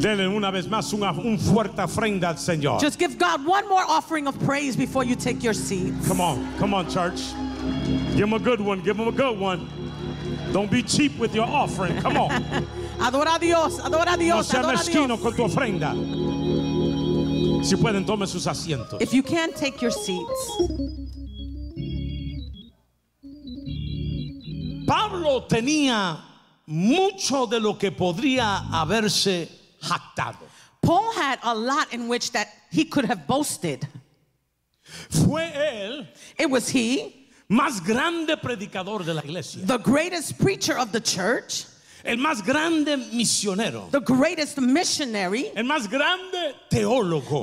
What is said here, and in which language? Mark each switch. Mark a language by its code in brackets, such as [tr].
[es] Denle una vez más un fuerte ofrenda al Señor. [en] Just give God one more offering of praise before you take your seats. Come on, church. Give him a good one. Don't be cheap with your offering. Come on. [es] Adora a Dios. No sea mezquino con tu ofrenda. Si pueden, tomen sus asientos. [en] If you can, take your seats. [es] Pablo tenía mucho de lo que podría haberse jactado. [en] Paul had a lot in which that he could have boasted. [es] Fue él. [en] It was he. [es] Más grande predicador de la iglesia. [en] The greatest preacher of the church. [es] El más grande misionero. [en] The greatest missionary. [es] El más grande teólogo.